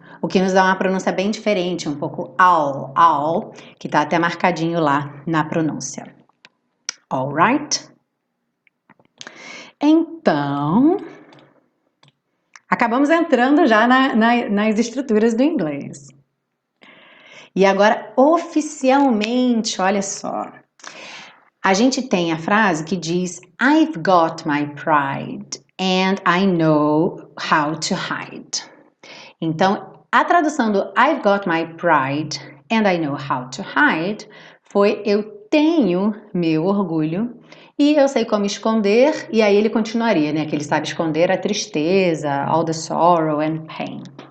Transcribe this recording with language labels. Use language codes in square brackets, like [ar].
[pt] O que nos dá uma pronúncia bem diferente, um pouco all, all, que tá até marcadinho lá na pronúncia. [en] All right? [pt] Então, acabamos entrando já nas estruturas do inglês. E agora, oficialmente, olha só. A gente tem a frase que diz: [en] I've got my pride and I know how to hide. [pt] Então, a tradução do [en] I've got my pride and I know how to hide [pt] foi: eu tenho meu orgulho e eu sei como esconder, e aí ele continuaria, né? Que ele sabe esconder a tristeza, [en] all the sorrow and pain.